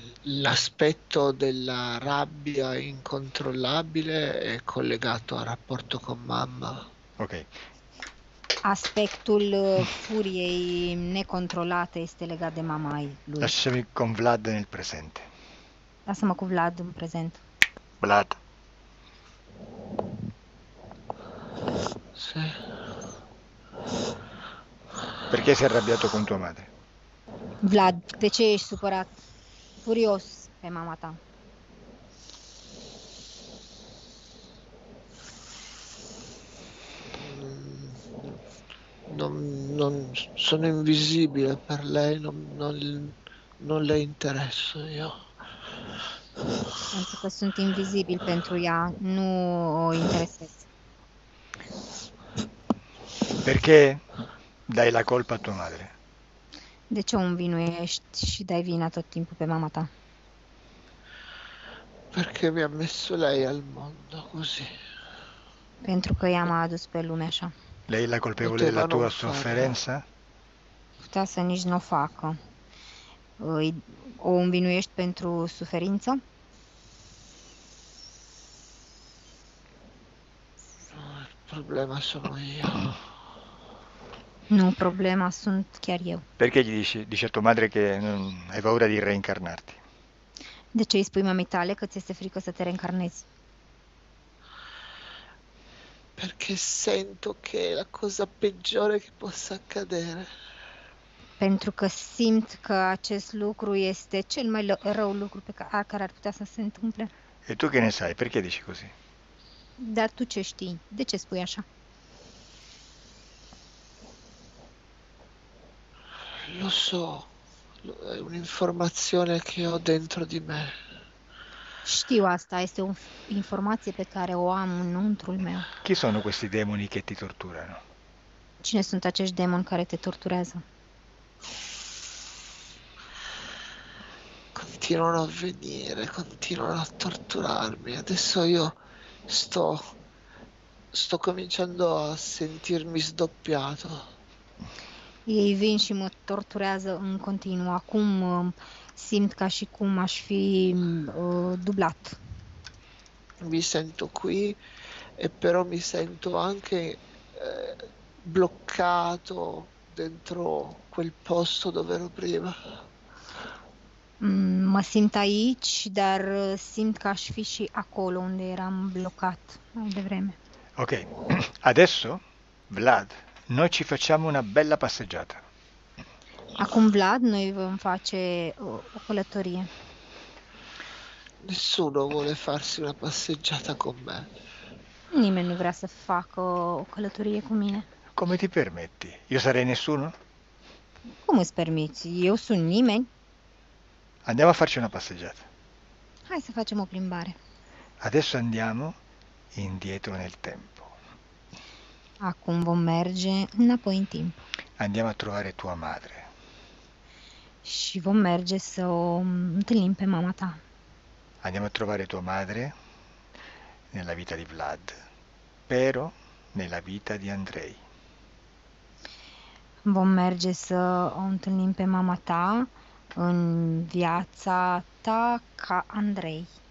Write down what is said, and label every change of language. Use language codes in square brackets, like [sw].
[it] L'aspetto della rabbia incontrollabile è collegato al rapporto con mamma. Ok. [ro] Aspectul furiei necontrolate este legat de mamai lui. [it] Lasciami con Vlad nel presente. [ro] Lasă-mă cu Vlad în prezent. [it] Vlad. Perché sei arrabbiato con tua madre? [ro] Vlad, de ce ești supărat? Furios pe mama ta. [it] Non sono invisibile per lei, non le interesso io. [ro] Pentru că sunt invizibil pentru ea, nu o interesez. [it] Perché dai la colpa a tua madre? [ro] De ce o învinuiești și dai vina tot timpul pe mama ta? [it] Perché mi ha messo lei al mondo così. [ro] Pentru che ea m-a adus pe lume așa. [it] Lei è la colpevole della Poteva non farlo. sofferenza? [ro] Putea să nici nu o facă. O învinuiești pentru suferință? [it] Problema sono io. [ro] Nu, problema sunt chiar eu. [it] Perché gli dici a tua madre che hai paura di reincarnarti? [ro] De ce îi spui mamei tale că ți este frică să te reîncarnezi? [it] Perché sento che è la cosa peggiore che possa accadere. [ro] Pentru că simt că acest lucru este cel mai rău lucru pe care ar putea să se întâmple. [it] E tu che ne sai? Perché dici così? [ro] Dar tu ce știi? De ce spui așa? [it] Lo so, è un'informazione che ho dentro di me. [ro] Știu asta, este o informație pe care o am înăuntrul meu. [it] Chi sono questi demoni che ti torturano? [ro] Cine sunt acești demoni care te torturează? [it] Continuano a venire, continuano a torturarmi. Adesso io sto cominciando a sentirmi sdoppiato. [ro] Ei vin și mă torturează în continuu. Acum simt ca și cum aș fi dublat. [it] Mi sento qui e però mi sento anche bloccato dentro quel posto dove ero prima. [ro] Mă simt aici, dar simt ca aș fi și acolo unde eram blocat mai devreme. [it] Ok, adesso Vlad, noi ci facciamo una bella passeggiata. [ro] Acum, Vlad, noi vom face o călătorie. [it] Nessuno vuole farsi una passeggiata con me. [ro] Nimeni nu vrea să facă o călătorie cu mine. [it] Come ti permetti? Io sarei nessuno? [ro] Cum îți permiți? Eu sunt nimeni. [it] Andiamo a farci una passeggiata. [ro] Hai să facem o plimbare. [it] Adesso andiamo indietro nel tempo. [ro] Acum vom merge înapoi in tempo. [it] Andiamo a trovare tua madre. [ro] Și vom merge să o întâlnim pe mama ta. [it] Andiamo a trovare tua madre nella vita di Vlad, però nella vita di Andrei. [ro] Vom merge să o întâlnim pe mama ta în viața ta ca Andrei.